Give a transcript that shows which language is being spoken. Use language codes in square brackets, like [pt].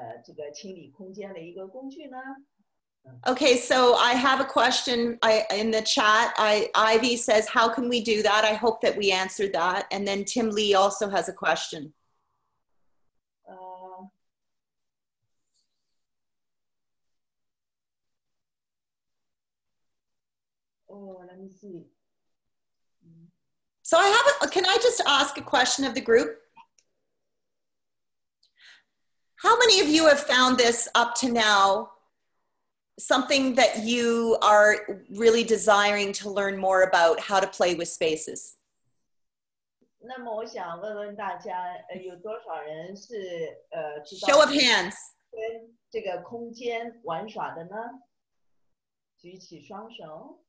[zh] 这个是不是那个我们可以就是继续向前的一个这个清理空间的一个工具呢？ [en] Okay, so I have a question in the chat. Ivy says, how can we do that? I hope that we answered that. And then Tim Lee also has a question. Oh, let me see. Can I just ask a question of the group? How many of you have found this up to now, something that you are really desiring to learn more about, how to play with spaces? [zh] 那么我想问问大家，有多少人是知道 [en] Show of hands. [zh] 跟这个空间玩耍的呢？举起双手。